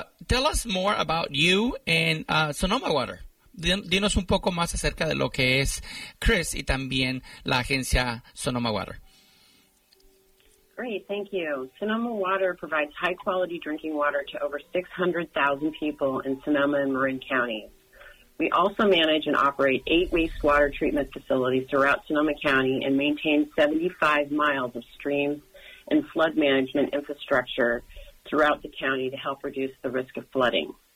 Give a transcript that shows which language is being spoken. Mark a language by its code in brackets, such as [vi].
[en] Tell us more about you and Sonoma Water. [es] Dinos un poco más acerca de lo que es Chris y también la agencia Sonoma Water. [en] Great, thank you. Sonoma Water provides high-quality drinking water to over 600,000 people in Sonoma and Marin counties. We also manage and operate 8 wastewater treatment facilities throughout Sonoma County and maintain 75 miles of stream and flood management infrastructure throughout the county to help reduce the risk of flooding.